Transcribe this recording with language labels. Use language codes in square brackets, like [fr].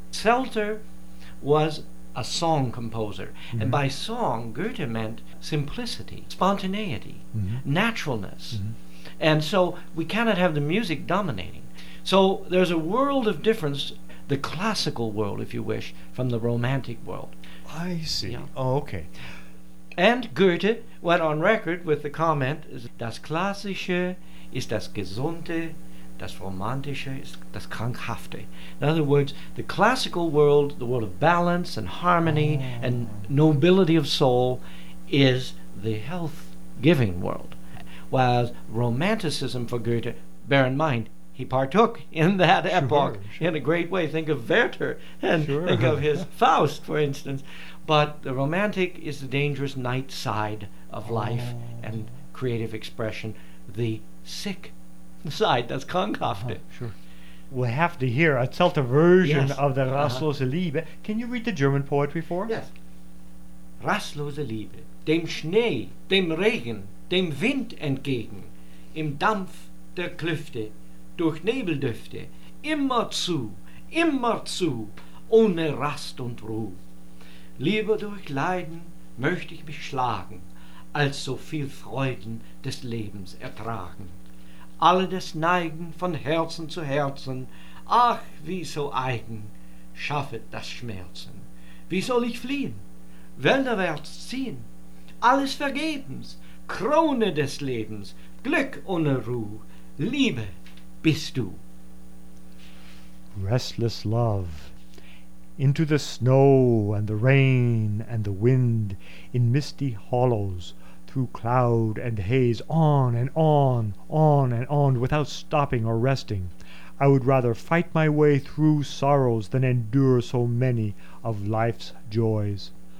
[en] Zelter was a song composer, mm-hmm. and by song, Goethe meant simplicity, spontaneity, mm-hmm. naturalness. Mm-hmm. And so we cannot have the music dominating. So there's a world of difference, the classical world, if you wish, from the romantic world. I see. Yeah. Oh, okay. [de] And Goethe went on record with the comment, das Klassische ist das Gesunde, das Romantische ist das Krankhafte. [en] In other words, the classical world, the world of balance and harmony and nobility of soul, is the health-giving world. While romanticism for Goethe, bear in mind, he partook in that epoch in a great way. Think of Werther and think of his Faust, for instance. But the romantic is the dangerous night side of life and creative expression, the sick side, das Krankhafte. We have to hear a Zelter version of the Rastlose Liebe. Can you read the German poetry for us? Yes. [de] Rastlose Liebe, dem Schnee, dem Regen, dem Wind entgegen, im Dampf der Klüfte, durch Nebeldüfte, immerzu, immerzu, ohne Rast und Ruh. Lieber durch Leiden möchte ich mich schlagen, als so viel Freuden des Lebens ertragen. Alle das Neigen von Herzen zu Herzen, ach, wie so eigen, schaffet das Schmerzen. Wie soll ich fliehen, wälderwärts ziehen, alles vergebens, Krone des Lebens, Glück ohne Ruh, Liebe, bist du. [en] Restless love, into the snow and the rain and the wind, in misty hollows, through cloud and haze, on and on, on and on, without stopping or resting. I would rather fight my way through sorrows than endure so many of life's joys.